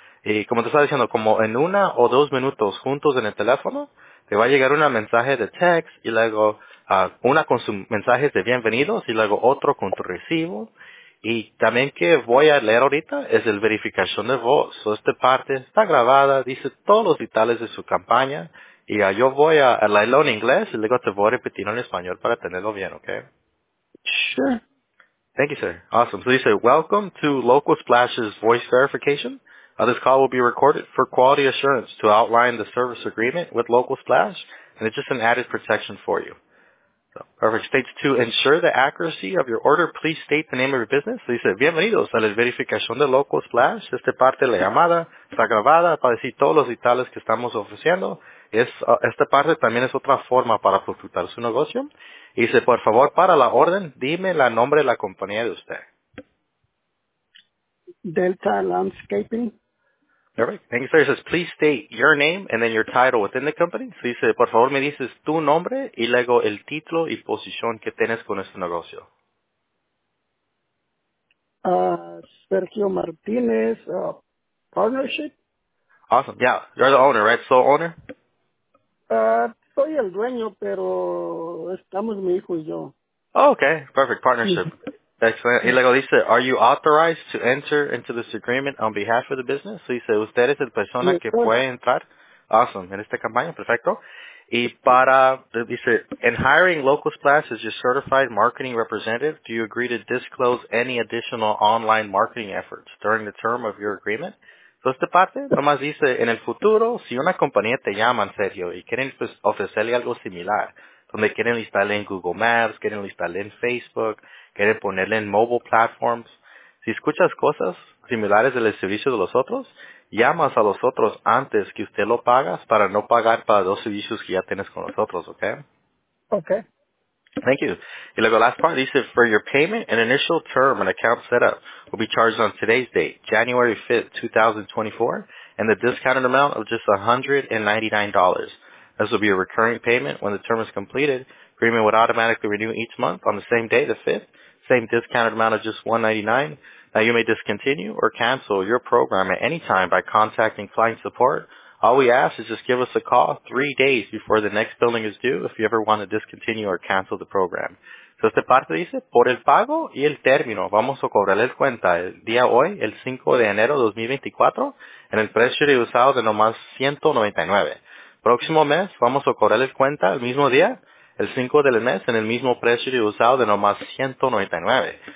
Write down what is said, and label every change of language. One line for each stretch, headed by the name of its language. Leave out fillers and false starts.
Spanish: Y como te estaba diciendo, como en una o dos minutos juntos en el teléfono, te va a llegar un mensaje de text y luego una con sus mensajes de bienvenidos y luego otro con tu recibo. Y también que voy a leer ahorita es el verificación de voz. So, esta parte está grabada, dice todos los detalles de su campaña. Y yo voy a leerlo en inglés y luego te voy a repetir en español para tenerlo bien, ¿ok?
English: Sure. Thank you, sir. Awesome. So you say, welcome to Local Splash's voice verification. This call will be recorded for quality assurance to outline the service agreement with Local Splash, and it's just an added protection for you. So, perfect. States to ensure the accuracy of your order, please state the name of your business. So you say,
Spanish: bienvenidos a la verificación de Local Splash. Esta parte de la llamada está grabada para decir todos los detalles que estamos ofreciendo. Esta parte también es otra forma para consultar su negocio. Y dice, por favor, para la orden, dime el nombre de la compañía de usted.
English: Delta Landscaping. Perfect. Thank you, sir. It says, please state your name and then your title within the company.
Spanish: So dice, por favor, me dices tu nombre y luego el título y posición que tienes con este negocio.
English: Sergio Martínez, Partnership. Awesome. Yeah, you're the owner, right? Sole owner?
Spanish: Soy el dueño, pero estamos mi hijo y yo.
English: Oh, okay, perfect, partnership. Excellent.
Spanish: Y luego dice,
English: are you authorized to enter into this agreement on behalf of the business?
Spanish: So dice, usted es la persona que puede entrar.
English: Awesome,
Spanish: en esta campaña, perfecto. Y para, dice,
English: in hiring Local Splash as your certified marketing representative, do you agree to disclose any additional online marketing efforts during the term of your agreement?
Spanish: So esta parte nomás dice, en el futuro, si una compañía te llama en serio y quieren pues, ofrecerle algo similar, donde quieren listarle en Google Maps, quieren listarle en Facebook, quieren ponerle en
English: mobile platforms,
Spanish: si escuchas cosas similares del servicio de los otros, llamas a los otros antes que usted lo pagas para no pagar para dos servicios que ya tienes con nosotros, ¿ok?
English: Ok. Thank you.
Spanish: Y luego
English: last part dice, for your payment, an initial term and account setup will be charged on today's date, January 5th, 2024, and the discounted amount of just $199. This will be a recurring payment when the term is completed. Agreement would automatically renew each month on the same day, the 5th, same discounted amount of just $199. Now you may discontinue or cancel your program at any time by contacting client support. All we ask is just give us a call 3 days before the next billing is due if you ever want to discontinue or cancel the program.
Spanish: So esta parte dice, por el pago y el término, vamos a cobrarle el cuenta el día hoy, el 5 de enero 2024, en el precio de usado de nomás $199. Próximo mes, vamos a cobrarle el cuenta el mismo día, el 5 del mes, en el mismo precio de usado de nomás $199.